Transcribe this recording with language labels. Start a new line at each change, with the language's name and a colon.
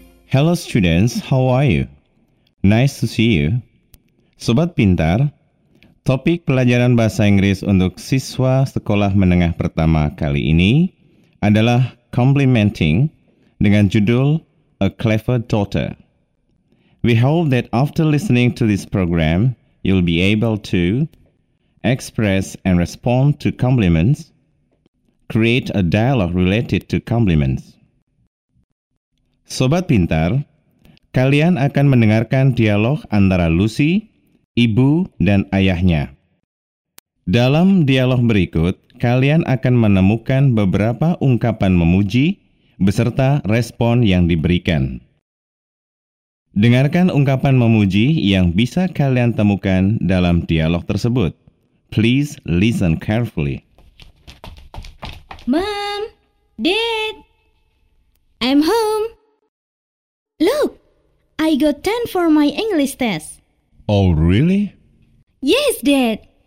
English: Hello students, how are you? Nice to see you.
Indonesian: Sobat Pintar, topik pelajaran bahasa Inggris untuk siswa sekolah menengah pertama kali ini adalah complimenting dengan judul A Clever Daughter.
English: We hope that after listening to this program, you'll be able to express and respond to compliments, create a dialogue related to compliments.
Indonesian: Sobat Pintar, kalian akan mendengarkan dialog antara Lucy, ibu, dan ayahnya. Dalam dialog berikut, kalian akan menemukan beberapa ungkapan memuji beserta respon yang diberikan. Dengarkan ungkapan memuji yang bisa kalian temukan dalam dialog tersebut.
English: Please listen carefully. Mom, Dad, I'm home. Look, I got 10 for my English test. Oh, really? Yes, Dad.